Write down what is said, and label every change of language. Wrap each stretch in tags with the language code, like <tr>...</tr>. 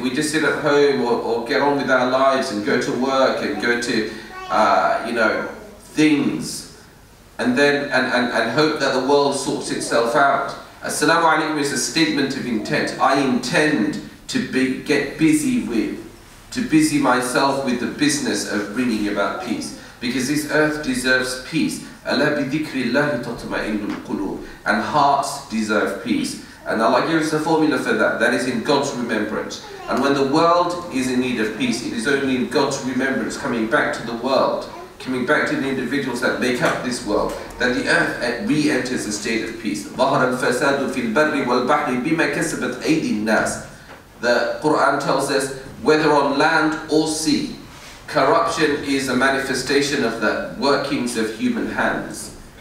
<en>We just sit at home or get on with our lives and go to work and go to, you know, things. And then and hope that the world sorts itself out. As-salamu alaykum is a statement of intent. I intend to busy myself with the business of bringing about peace. Because this earth deserves peace.</en> <ar>أَلَّا بِذِكْرِ اللَّهِ تَطْمَئِنُّ الْقُلُوبِ</ar> <en>And hearts deserve peace. And Allah gives the formula for that. That is in God's remembrance. And when the world is in need of peace, it is only in God's remembrance, coming back to the world, coming back to the individuals that make up this world, that the earth re-enters a state of peace.</en> <ar>ظَهَرَ الْفَسَادُ فِي الْبَرِّ وَالْبَحْرِ بِمَا كَسَبَتْ أَيْدِي النَّاسِ</ar> <en>The Quran tells us, whether on land or sea, corruption is a manifestation of the workings of human hands.</en>